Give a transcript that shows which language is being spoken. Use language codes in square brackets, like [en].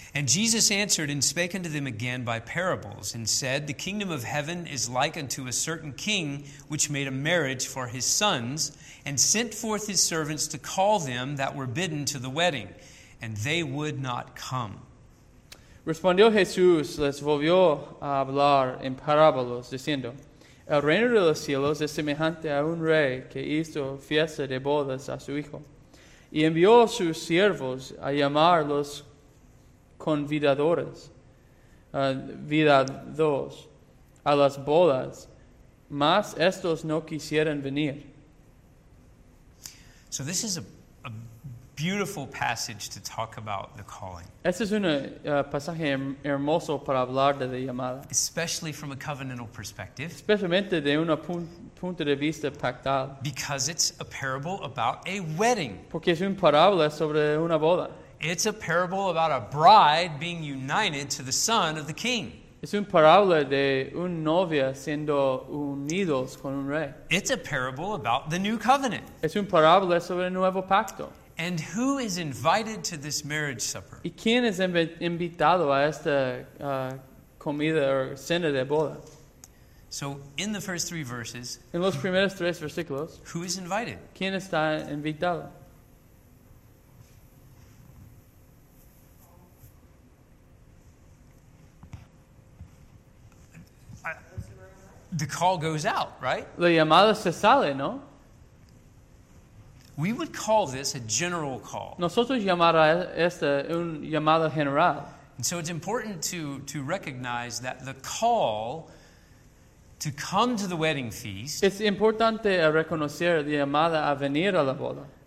[en] And Jesus answered and spake unto them again by parables, and said, The kingdom of heaven is like unto a certain king which made a marriage for his sons, and sent forth his servants to call them that were bidden to the wedding, and they would not come. [es] Respondió Jesús, les volvió a hablar en parábolos, diciendo, El reino de los cielos es semejante a un rey que hizo fiesta de bodas a su hijo, y envió a sus siervos a llamar los convidados a las bodas, mas estos no quisieron venir. [en] So this is a beautiful passage to talk about the calling. [es] Este es un pasaje hermoso para hablar de la llamada. [en] Especially from a covenantal perspective. [es] Especialmente de un punto de vista pactal. [en] Because it's a parable about a wedding. [es] Porque es una parábola sobre una boda. [en] It's a parable about a bride being united to the son of the king. [es] Es una parábola de un novia siendo unidos con un rey. [en] It's a parable about the new covenant. [es] Es una parábola sobre el nuevo pacto. [en] And who is invited to this marriage supper? [es] ¿Y quién es invitado a esta comida o cena de boda? [en] So, in the first three verses, [es] en los primeros tres versículos, [en] who is invited? [es] ¿Quién está invitado? [en] The call goes out, right? [es] La llamada se sale, ¿no? [en] We would call this a general call. [es] Nosotros llamar a esta un llamado general. [en] And so it's important to recognize that the call to come to the wedding feast. [es] Es importante reconocer la llamada a venir a la boda.